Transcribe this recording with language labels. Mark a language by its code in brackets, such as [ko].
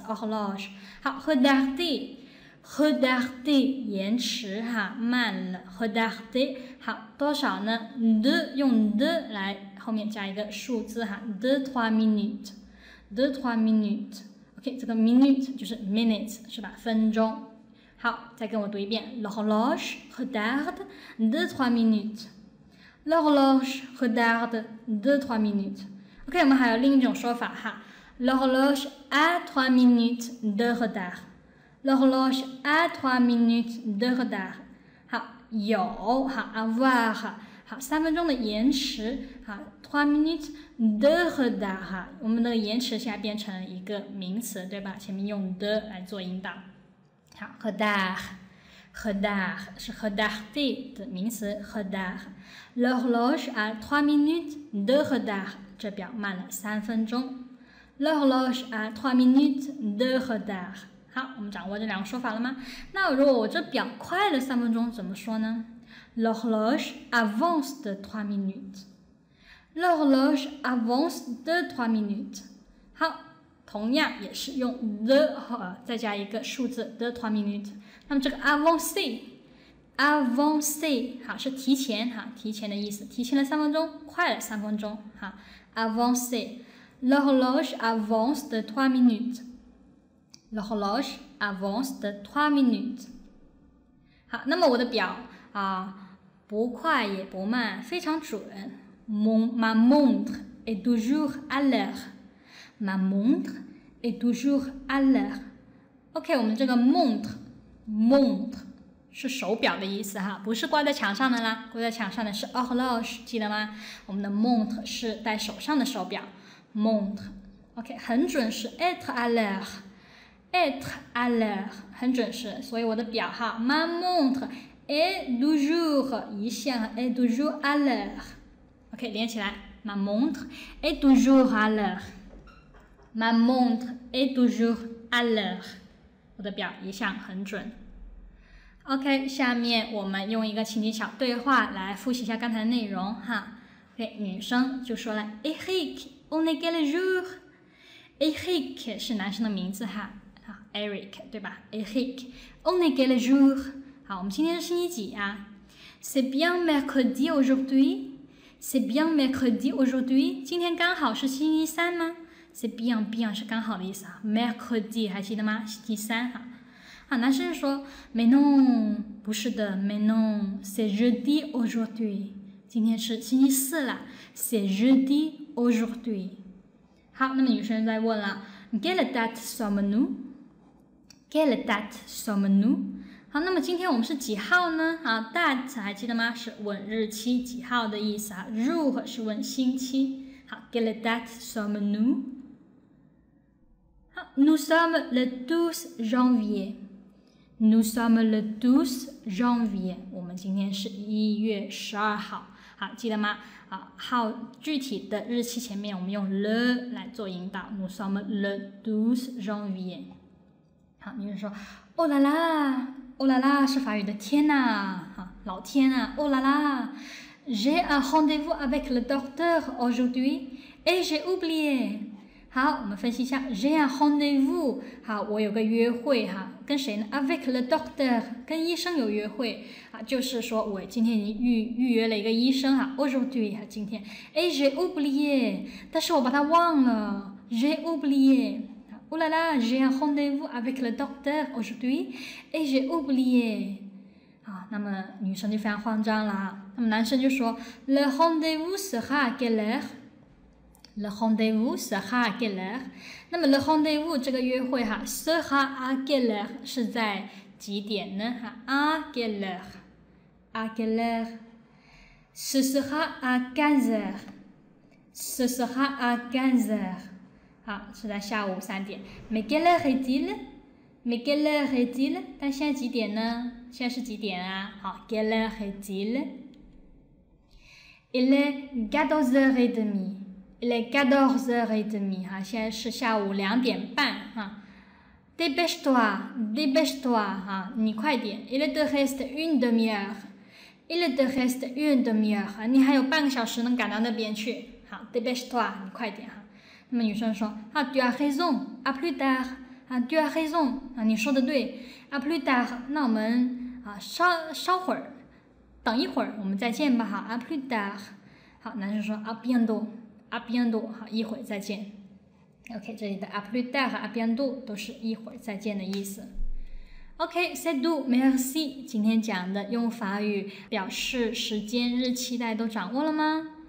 [zh] horloge 好 ，retarde 延迟哈，慢了。 retarde 好多少呢 ？de 用 de 来后面加一个数字哈 ， [fr] de 3 minutes， de 3 minutes. [zh] OK， 这个 minute 就是 minutes 是吧？分钟。好，再跟我读一遍 ， [fr] l'horloge retarde de 3 minutes. L'horloge retarde de 3 minutes. OK， [zh] 我们还有另一种说法哈 [fr] ，l'horloge a 3 minutes de retard. L'horloge a 3 minutes de retard. [zh] 好，有哈 ，avoir 哈，好，3分钟的延迟哈 ， [fr] 3 minutes de retard [zh] 哈，我们的延迟现在变成一个名词对吧？前面用 de 来做引导。好 ，retard 是 retard 的名词 ，retard。 [fr] L'horloge a 3 minutes de retard， [zh] 这表慢了3分钟。 [fr] L'horloge à 3 minutes de retard. [zh] 好，我们掌握这两个说法了吗？那如果我这表快了三分钟怎么说呢？ [fr] L'horloge avance de 3 minutes. L'horloge avance de 3 minutes. [zh] 好，同样也是用 de 和再加一个数字 [fr] de 3 minutes. [zh] 那么这个 avancer avance 好是提前哈，提前的意思，提前了三分钟，快了三分钟哈。 [fr] Avance, l'horloge avance de 3 minutes. L'horloge avance de 3 minutes. [zh] 好，那么我的表啊，不快也不慢，非常准。 [fr] Ma montre est toujours à l'heure. Ma montre est toujours à l'heure. [zh] OK, 我们这个 montre. 是手表的意思哈，不是挂在墙上的啦，挂在墙上的是 horloge， 记得吗？我们的 montre 是戴手上的手表 ，montre。 OK， 很准是 être à l'heure， être à l'heure， 很准是，所以我的表哈 ， [fr] ma montre est toujours 一向 est toujours à l'heure。 OK， 连起来 ，ma montre est toujours à l'heure， ma montre est toujours à l'heure， [zh] 我的表一向很准。 OK， 下面我们用一个情景小对话来复习一下刚才的内容哈。 OK， 女生就说了 ，Eric， [fr] on est quel jour？ [zh] Eric 是男生的名字哈，好 ，Eric 对吧 ？Eric， [fr] on est quel jour？ [zh] 好，我们今天是星期几呀 ？ [fr] C'est bien mercredi aujourd'hui？ C'est bien mercredi aujourd'hui？ [zh] 今天刚好是星期三吗 ？C'est bien bien 是刚好的意思啊 ，mercredi 还记得吗？星期三哈。 [fr] 啊、男生说 Mais non, 不是的 Mais non, c'est jeudi aujourd'hui [zh] 今天是星期四了 [fr] C'est jeudi aujourd'hui 好那么女生在问了 Quelle date sommes-nous? Quelle date sommes-nous? [zh] 好那么今天我们是几号呢、啊、date 还记得吗是问日期几号的意思、啊、Jour 是问星期好 [fr] Quelle date sommes-nous? Nous sommes le 12 janvierNous sommes le 12 janvier. [zh] 我们今天是一月十二号。好，记得吗？啊，号具体的日期前面我们用 le 来做引导。 [fr] Nous sommes le 12 janvier. [zh] 好，你就说 ，Oh la la, oh la la 是法语的天哪，哈，老天啊 ，Oh la la. [fr] J'ai un rendez-vous avec le docteur aujourd'hui et j'ai oublié. [zh] 好，我们分析一下 ，j'ai un rendez-vous。好，我有个约会哈，跟谁呢 ？ [fr] Avec le docteur， [zh] 跟医生有约会啊，就是说我今天已经预约了一个医生哈 ，aujourd'hui 哈，今天。 [fr] Et j'ai oublié， [zh] 但是我把它忘了 [fr] ，j'ai oublié。 Oh là là， j'ai un rendez-vous avec le docteur aujourd'hui et j'ai oublié。 [zh] 啊，那么女生就非常慌张了。那么男生就说 ， [fr] le rendez-vous sera à quelle heure？ Le rendez-vous sera à quelle heure? [zh] 那么 le rendez-vous 这个约会哈 ， [fr] sera à quelle heure [zh] 是在几点呢？ [fr] 哈 ，à quelle heure? À quelle heure? Ce sera à 15 heures. Ce sera à 15 heures. 好， [zh] 是在下午三点。 [fr] Mais quelle heure est-il? Mais quelle heure est-il? [zh] 但现在几点呢？现在是几点啊？好 ，quelle heure est-il? [fr] Il est 14h30. Il est 14h30, [zh] 哈，现在是下午两点半，哈。 [fr] Dépêche-toi, dépêche-toi, 哈， [zh] 你快点。 [fr] Il te reste une demi-heure. Il te reste une demi-heure, [zh] 哈，你还有半个小时能赶到那边去。好 ，dépêche-toi, 你快点，哈。那么女生说，啊 ， [fr] tu as raison, à plus tard, [zh] 啊 ，tu as raison, 啊，你说的对 ，à plus tard, 那我们啊，稍会儿，等一会儿，我们再见吧，哈 ，à plus tard。好，男生说 ， [fr] à bientôt。À bientôt, [zh] 好，一会儿再见。 OK, 这里的 [fr] à plus tard, à bientôt [zh] 都是一会儿再见的意思。 [fr] OK, c'est tout, merci. [zh] 今天讲的用法语表示时间、日期，大家都掌握了吗？